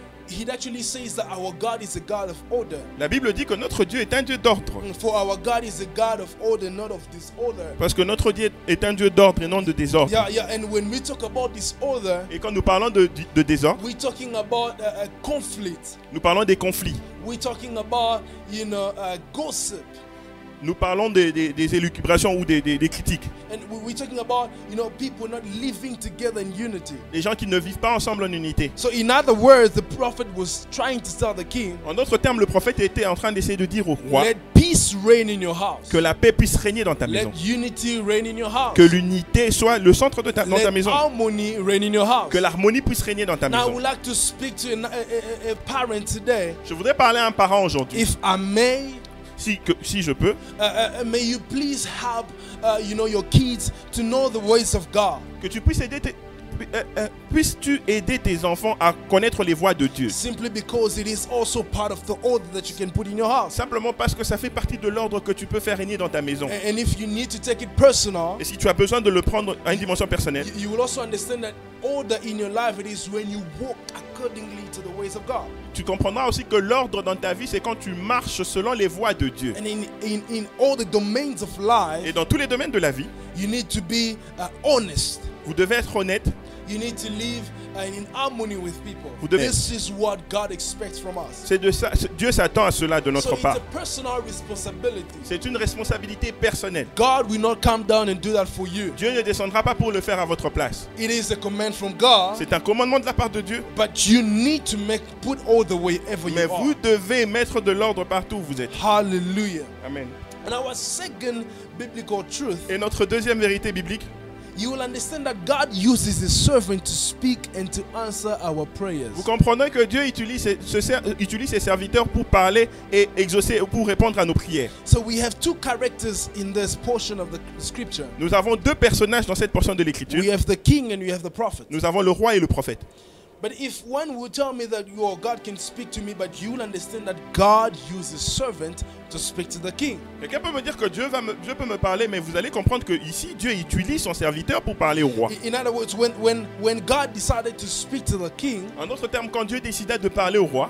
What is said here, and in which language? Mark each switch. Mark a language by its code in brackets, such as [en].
[en] He actually says that our God is a God of order. [fr] La Bible dit que notre Dieu est un Dieu d'ordre. [en] For our God is a God of order, not of disorder. [fr] Parce que notre Dieu est un Dieu d'ordre et non de désordre. [en] Yeah. And when we talk about disorder, [fr] et quand nous parlons de désordre, [en] we're talking about a conflict. [fr] Nous parlons des conflits. [en] We're talking about, you know, gossip. [fr] Nous parlons des élucubrations ou des critiques. [en] And we're talking about, you know, people not living together in unity. [fr] Les gens qui ne vivent pas ensemble en unité. [en] So in other words, the prophet was trying to tell the king. [fr] En d'autres termes, le prophète était en train d'essayer de dire au roi. [en] Let peace reign in your house. [fr] Que la paix puisse régner dans ta [en] Let [fr] maison. [en] Let unity reign in your house. [fr] Que l'unité soit le centre de [en] Let [fr] dans ta maison. [en] Let harmony reign in your house. [fr] Que l'harmonie puisse régner dans ta [en] Now [fr] maison. [en] Now I would like to speak to a parent today. [fr] Je voudrais parler à un parent aujourd'hui. [en] If I may. [fr] Si je peux. [en] May you please help, you know, your kids to know the ways of God. [fr] Que tu puisses aider puisses-tu aider tes enfants à connaître les voies de Dieu? [en] Simply because it is also part of the order that you can put in your house. [fr] Simplement parce que ça fait partie de l'ordre que tu peux faire régner dans ta maison. [en] And if you need to take it personal. [fr] Et si tu as besoin de le prendre à une dimension personnelle. [en] You will also understand that order in your life it is when you walk accordingly to the ways of God. [fr] Tu comprendras aussi que l'ordre dans ta vie c'est quand tu marches selon les voies de Dieu. [en] And in all the domains of life. [fr] Et dans tous les domaines de la vie. [en] You need to be honest. [fr] Vous devez être honnête. [en] You need to live in harmony with people. [fr] Vous devez. [en] This is what God expects from us. [fr] C'est de ça. Dieu s'attend à cela de notre [en] so [fr] part. [en] It's a personal responsibility. [fr] C'est une responsabilité personnelle. [en] God will not come down and do that for you. [fr] Dieu ne descendra pas pour le faire à votre place. [en] It is a command from God. [fr] C'est un commandement de la part de Dieu. [en] But you need to make put all the way ever you [fr] Mais [en] are. [fr] Vous devez mettre de l'ordre partout où vous êtes. Hallelujah. Amen. [en] And our second biblical truth. [fr] Et notre deuxième vérité biblique. [en] You will understand that God uses His servant to speak and to answer our prayers. [fr] Vous comprenez que Dieu utilise ses serviteurs pour parler et exaucer pour répondre à nos prières. [en] So we have two characters in this portion of the scripture. [fr] Nous avons deux personnages dans cette portion de l'écriture. [en] We have the king and we have the prophet. [fr] Nous avons le roi et le prophète. [en] But if one would tell me that your God can speak to me, but you'll understand that God uses servant to speak to the king. [fr] Quelqu'un peut me dire que Dieu peut me parler, mais vous allez comprendre que ici Dieu utilise son serviteur pour parler au roi. [en] In other words, when God decided to speak to the king, [fr] en d'autres termes, quand Dieu décida de parler au roi,